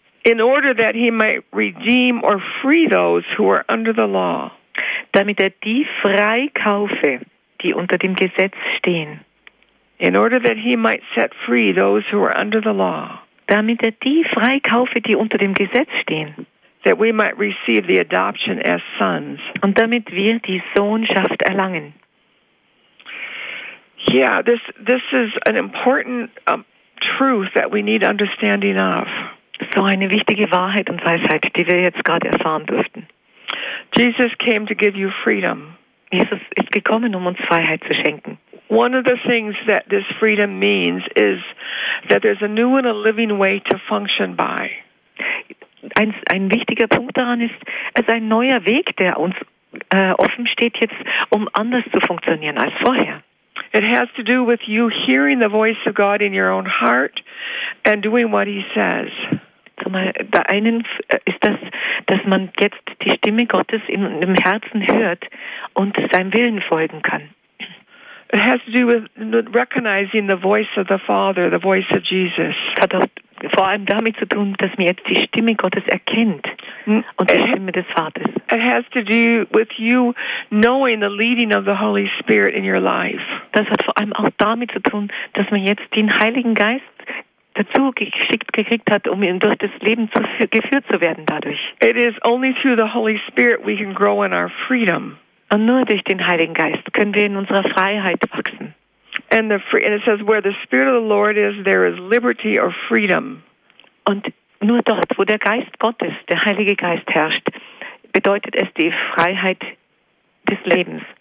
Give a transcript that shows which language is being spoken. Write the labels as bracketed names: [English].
[English] In order that he might redeem or free those who are under the law. [German] Damit er die freikaufe, die unter dem Gesetz stehen. [English] In order that he might set free those who are under the law. [German] Damit er die freikaufe, die unter dem Gesetz stehen. [English] That we might receive the adoption as sons. [German] Und damit wir die Sohnschaft erlangen. [English] Yeah, this is an important truth that we need understanding of. [German] So eine wichtige Wahrheit und Weisheit, die wir jetzt gerade erfahren durften. [English] Jesus came to give you freedom. [German] Jesus ist gekommen, um uns Freiheit zu schenken. [English] One of the things that this freedom means is that there's a new and a living way to function by. [German] Ein wichtiger Punkt daran ist, es ist ein neuer Weg, der uns offen steht jetzt, um anders zu funktionieren als vorher. [English] It has to do with you hearing the voice of God in your own heart and doing what he says. [German] Der einen ist das, dass man jetzt die Stimme Gottes in dem Herzen hört und seinem Willen folgen kann. [English] It has to do with recognizing the voice of the Father, the voice of Jesus. [German] Hat auch vor allem damit zu tun, dass man jetzt die Stimme Gottes erkennt und die Stimme des Vaters. [English] It has to do with you knowing the leading of the Holy Spirit in your life. [German] Das hat vor allem auch damit zu tun, dass man jetzt den Heiligen Geist dazu geschickt gekriegt hat, um durch das Leben geführt zu werden dadurch. [English] It is only through the Holy Spirit we can grow in our freedom. [German] Und nur durch den Heiligen Geist können wir in unserer Freiheit wachsen. [English] And the free, and it says where the Spirit of the Lord is, there is liberty or freedom. [German] Und nur dort, wo der Geist Gottes, der Heilige Geist herrscht, bedeutet es die Freiheit des Lebens.